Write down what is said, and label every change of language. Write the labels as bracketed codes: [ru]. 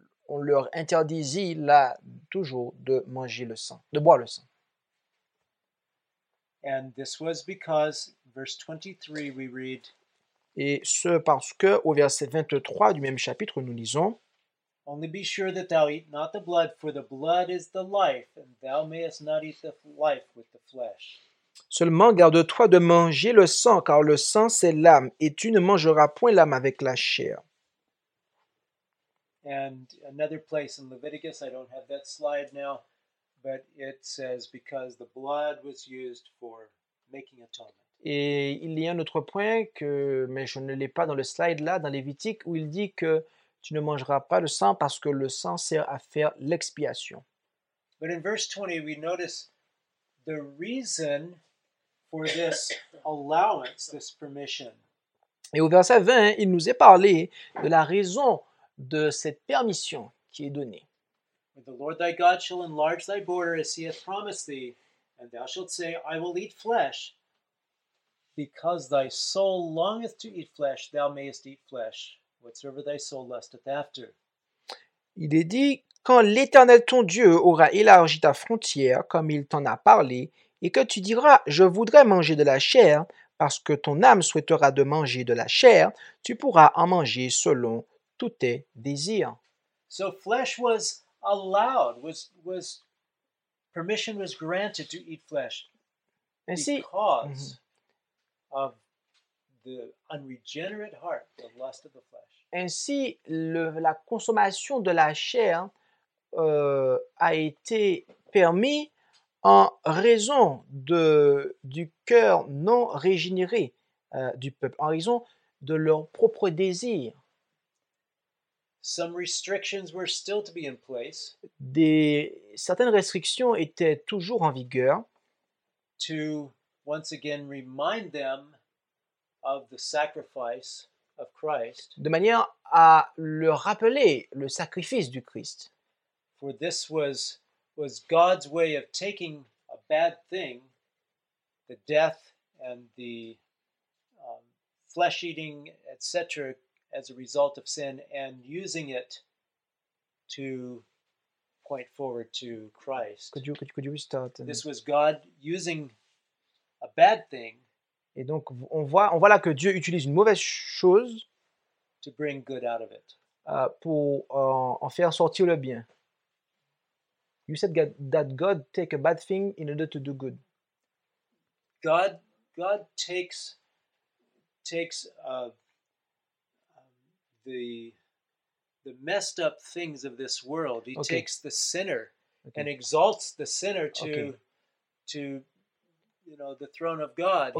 [fr] On leur interdisit là toujours de manger le sang, de boire le sang. [en] And this was because, verse 23, we read. [fr] Et ce parce que au verset 23 du même chapitre nous lisons. [en] Only be sure that thou eat not the blood, for the blood is the life, and thou mayest not eat the life with the flesh. [fr] Seulement garde-toi de manger le sang, car le sang c'est l'âme, et tu ne mangeras point l'âme avec la chair. [en] And another place in Leviticus, I don't have that slide now, but it says because the blood was used for making atonement. [fr] Et il y a un autre point que, mais je ne l'ai pas dans le slide là, dans Lévitique, où il dit que tu ne mangeras pas le sang parce que le sang sert à faire l'expiation. [en] But in verse 20, we notice the reason for this allowance, this permission. [fr] Et au verset 20, il nous est parlé de la raison de cette permission qui est donnée. [en] The Lord thy God shall enlarge thy border as he hath promised thee, and thou shalt say, I will eat flesh, because thy soul longeth to eat flesh, thou mayest eat flesh, whatsoever thy soul lusteth after. [fr] Il est dit, quand l'Éternel ton Dieu aura élargi ta frontière, comme il t'en a parlé, et que tu diras, je voudrais manger de la chair, parce que ton âme souhaitera de manger de la chair, tu pourras en manger selon tous tes désirs. [en] So flesh was allowed, was permission was granted to eat flesh because of the unregenerate heart, the lust of the flesh. [fr] Ainsi, la consommation de la chair a été permise en raison du cœur non régénéré du peuple, en raison de leur propre désir. [en] Some restrictions were still to be in place. [fr] Certaines restrictions étaient toujours en vigueur. [en] To once again remind them of the sacrifice of Christ. [fr] De manière à leur rappeler le sacrifice du Christ. [en] For this was God's way of taking a bad thing, the death and the flesh eating, etc. as a result of sin, and using it to point forward to Christ. Could you restart? This was God using a bad thing. [fr] Et donc on voit là que Dieu utilise une mauvaise chose [en] to bring good out of it. [fr] Pour en faire sortir le bien. [en] You said that God take a bad thing in order to do good. God takes a the messed up things of this world. He takes the sinner and exalts the sinner to the throne of God.